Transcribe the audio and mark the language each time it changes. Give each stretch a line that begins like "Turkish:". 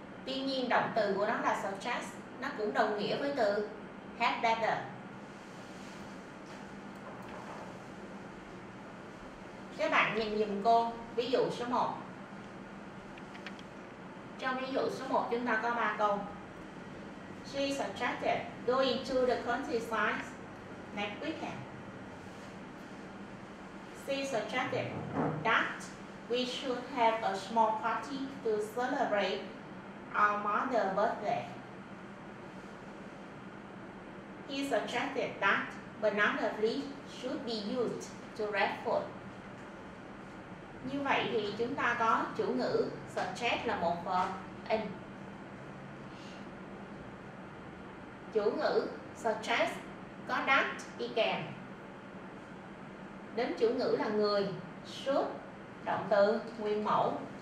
Vietnamese: Tuy nhiên động từ của nó là suggest, nó cũng đồng nghĩa với từ had better. Các bạn nhìn giùm cô ví dụ số 1. Trong ví dụ số 1 chúng ta có 3 câu.
English: She suggested going to the countryside next weekend. She suggested that we should have a small party to celebrate our mother's birthday. He suggested that banana leaves should be used to wrap food.
Vietnamese: Như vậy thì chúng ta có chủ ngữ suggest là một verb in. Chủ ngữ suggest có that đi kèm. Đến chủ ngữ là người, should động từ nguyên mẫu.